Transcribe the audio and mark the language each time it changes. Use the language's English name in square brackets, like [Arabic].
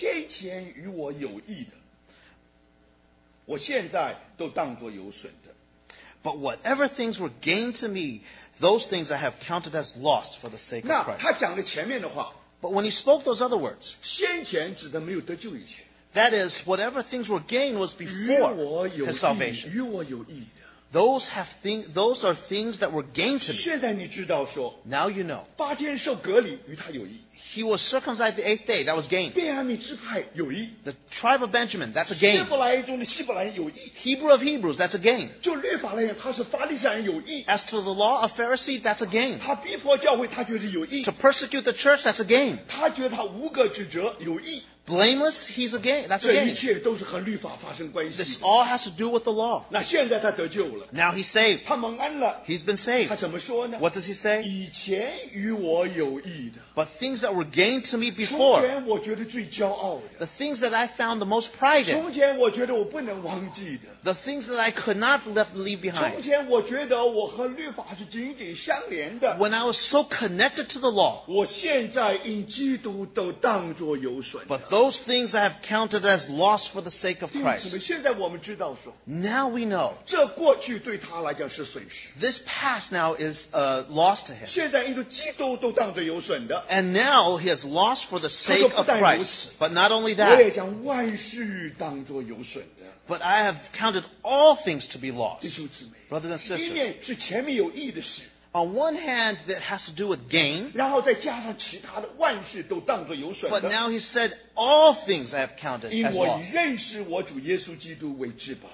[Chinese] 只是我先前与我有益的, 我现在都当作有损的。 [English] But whatever things were gained to me, those things I have counted as loss for the sake of Christ. [Chinese] 那他讲了前面的话, [English] but when he spoke those other words, [Chinese] 先前指的没有得救以前, [English] that is, whatever things were gained was before [Chinese] 与我有益, [English] his salvation. [Chinese] 与我有益的, [English] those are things that were gained to me. [Chinese] 现在你知道说, [English] now you know. [Chinese] 八天受隔离, [English] he was circumcised the eighth day. That was gained. [Chinese] 便雅悯支派, [English] the tribe of Benjamin, that's a gain. [Chinese] 希伯来中的希伯来, [English] Hebrew of Hebrews, that's a gain. [Chinese] 就律法来言, 他是法利赛人, [English] as to the law of Pharisee, that's a gain. [Chinese] 他逼迫教会, [English] to persecute the church, that's a gain. [Chinese] 他觉得他无个指责, [English] blameless, he's a gain. That's a gain. This all has to do with the law. Now he's saved. [Chinese] 他蒙恩了, [English] he's been saved. [Chinese] 他怎么说呢? [English] What does he say? [Chinese] 以前与我有益的, [English] but things that were gained to me before, [Chinese] 从前我觉得最骄傲的, [English] the things that I found the most pride in, [Chinese] 从前我觉得我不能忘记的, [English] the things that I could not leave behind, [Chinese] 从前我觉得我和律法是紧紧相连的, [English] when I was so connected to the law, [Chinese] 我现在因基督都当作有损的, [English] but those things I have counted as loss for the sake of Christ. [Chinese] 现在我们知道说, [English] now we know. [Chinese] 这过去对他来讲是损失, [English] this past now is a loss to him. [Chinese] 现在因为基督都当作有损的, [English] and now he has lost for the sake [Chinese] 他说不但如此, [English] of Christ. But not only that, [Chinese] 我也将万事当作有损的, [English] but I have counted all things to be lost. [Chinese] 弟兄姊妹, [English] brothers and sisters, [Chinese] 一面是前面有益的事, [English] on one hand, that has to do with gain. But now he said, all things I have counted as loss.